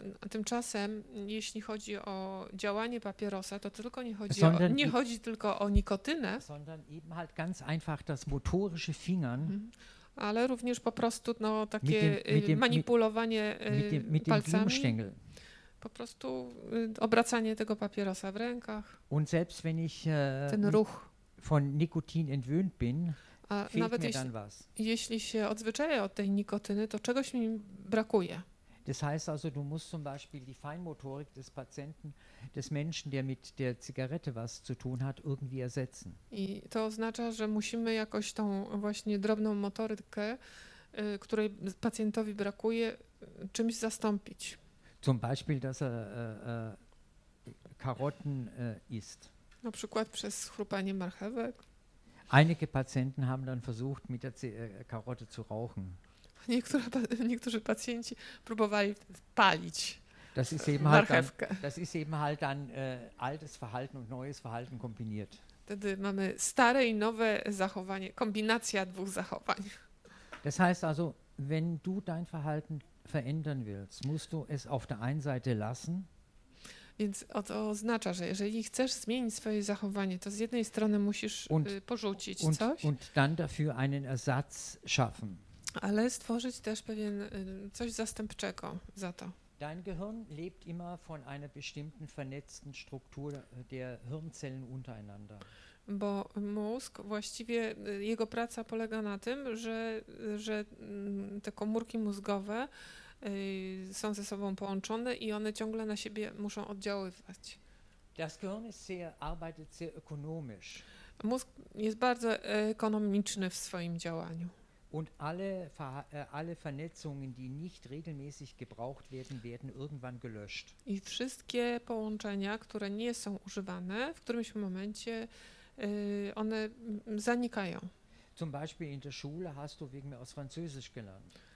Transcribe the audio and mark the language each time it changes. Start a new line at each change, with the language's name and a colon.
Polish: Tymczasem, jeśli chodzi o działanie papierosa, to tylko nie chodzi tylko o nikotynę,
German: sondern eben halt ganz einfach das motorische Fingern.
Polish: Ale również po prostu no, takie manipulowanie palcami, po prostu obracanie tego papierosa w rękach.
German: Und selbst wenn ich
Polish: ten ruch
German: von Nikotin entwöhnt bin, fehlt mir dann was.
Polish: Jeśli się odzwyczaję od tej nikotyny, to czegoś mi brakuje.
German: Das heißt also, du musst zum Beispiel die Feinmotorik des Patienten, des Menschen, der mit der Zigarette was zu tun hat, irgendwie ersetzen.
Polish: I to oznacza, że musimy jakoś tą właśnie drobną motorykę, której pacjentowi brakuje, czymś zastąpić.
German: Zum Beispiel, dass er Karotten isst.
Polish: Na przykład przez chrupanie marchewek.
German: Einige Patienten haben dann versucht, mit der Karotte zu rauchen.
Polish: Niektórzy pacjenci próbowali palić
German: das ist eben halt marchewkę. Dann, das ist eben halt dann altes Verhalten und neues Verhalten kombiniert.
Polish: Wtedy mamy stare i nowe zachowanie, kombinacja dwóch zachowań.
German: Das heißt also, wenn du dein Verhalten verändern willst, musst du es auf der einen Seite lassen.
Polish: Więc to oznacza, że jeżeli chcesz zmienić swoje zachowanie, to z jednej strony musisz porzucić coś.
German: Und dann dafür einen Ersatz schaffen.
Polish: Ale stworzyć też pewien coś zastępczego za to.
German: Dein Gehirn lebt immer von einer bestimmten vernetzten Struktur der Hirnzellen untereinander.
Polish: Bo mózg właściwie jego praca polega na tym, że te komórki mózgowe są ze sobą połączone i one ciągle na siebie muszą oddziaływać.
German: Das Gehirn ist sehr, arbeitet sehr ökonomisch.
Polish: Mózg jest bardzo ekonomiczny w swoim działaniu.
German: Und alle Vernetzungen, die nicht regelmäßig gebraucht werden, werden irgendwann gelöscht.
Polish: I wszystkie połączenia, które nie są używane, w którymś momencie one zanikają.
German: Zum Beispiel in der Schule hast du wegen mir aus Französisch gelernt.